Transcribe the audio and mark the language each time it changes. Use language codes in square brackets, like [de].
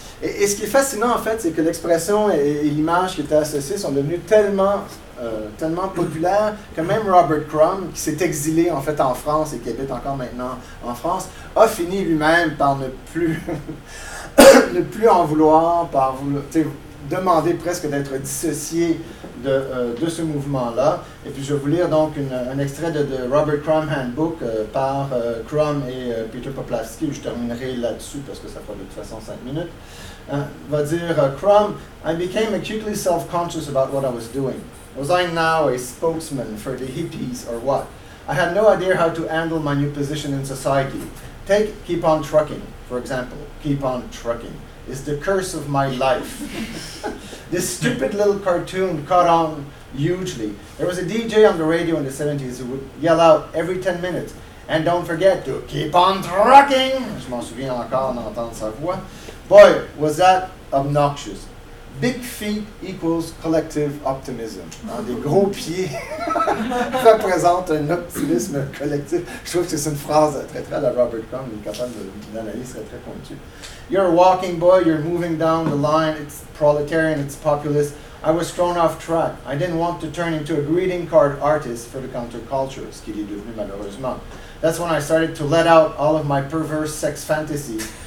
[fr] Et ce qui est fascinant en fait, c'est que l'expression et l'image qui étaient associées sont devenues tellement populaire que même Robert Crumb, qui s'est exilé en fait en France et qui habite encore maintenant en France, a fini lui-même par ne plus en vouloir, par demandé presque d'être dissocié de ce mouvement-là. Et puis, je vais vous lire donc un extrait de Robert Crumb Handbook par Crumb et Peter Poplavsky. Je terminerai là-dessus parce que ça prend de toute façon 5 minutes. Va dire Crumb, [en] I became acutely self-conscious about what I was doing. Was I now a spokesman for the hippies or what? I had no idea how to handle my new position in society. Take Keep On Trucking, for example. Keep On Trucking is the curse of my life. This stupid little cartoon caught on hugely. There was a DJ on the radio in the 70s who would yell out every 10 minutes, and don't forget to keep on trucking. [fr] Je m'en souviens encore d'entendre sa voix. [en] Boy, was that obnoxious. Big feet equals collective optimism. [fr] Hein, des gros pieds représentent un optimisme collectif. Je trouve que c'est une phrase très très à la Robert Crumb, il est capable d'analyser très très pointu. [en] You're a walking boy, you're moving down the line, it's proletarian, it's populist. I was thrown off track. I didn't want to turn into a greeting card artist for the counterculture, [fr] ce qu'il est devenu malheureusement. [en] That's when I started to let out all of my perverse sex fantasies.